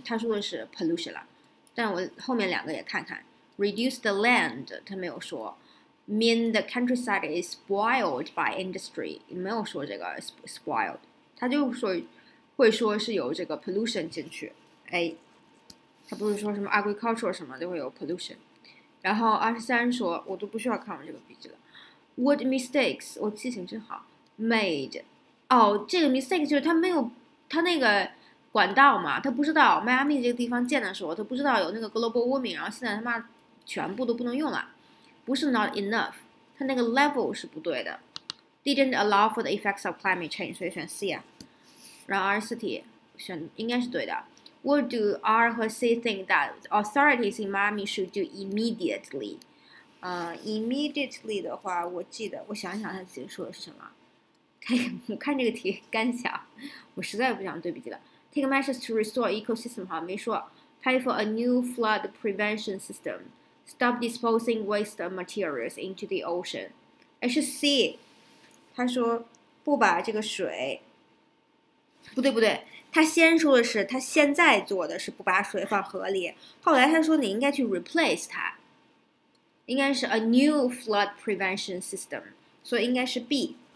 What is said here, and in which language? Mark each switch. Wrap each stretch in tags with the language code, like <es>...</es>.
<zh>他说的是 pollution 了，但我后面两个也看看。</zh> <en>Reduce the land,</en> <zh>他没有说。</zh> <en>Mean the countryside is spoiled by industry,</en> <zh>没有说这个</zh> <en>spoiled.</en> <zh>他就说会说是有这个 pollution 进去。哎，他不是说什么 agriculture 什么都会有 pollution。然后23说，我都不需要看我这个笔记了。</zh> <en>What mistakes?</en> <zh>我记性真好。 Made, 哦，这个 mistake 就是他没有他那个管道嘛，他不知道迈阿密这个地方建的时候，他不知道有那个 global warming， 然后现在他妈全部都不能用了。不是</zh> <en>not enough，</en> <zh>他那个 level 是不对的。</zh> <en>Didn't allow for the effects of climate change，</en> <zh>所以选 C 啊。然后 RCT 选应该是对的。</zh> <en>What do R 和 C think that authorities in Miami should do immediately？</en> <zh>immediately 的话我记得，我想想他自己说的是什么。我看这个题干想，我实在不想对比了。</zh> <en>Take measures to restore ecosystem，</en> <zh>好没说。</zh> <en>Pay for a new flood prevention system， Stop disposing waste materials into the ocean，</en> <zh>是 C， 他说不把这个水，不对不对，他先说的是他现在做的是不把水放河里，后来他说你应该去 replace 它，应该是</zh> <en>a new flood prevention system，</en> <zh>所以应该是 B。</zh>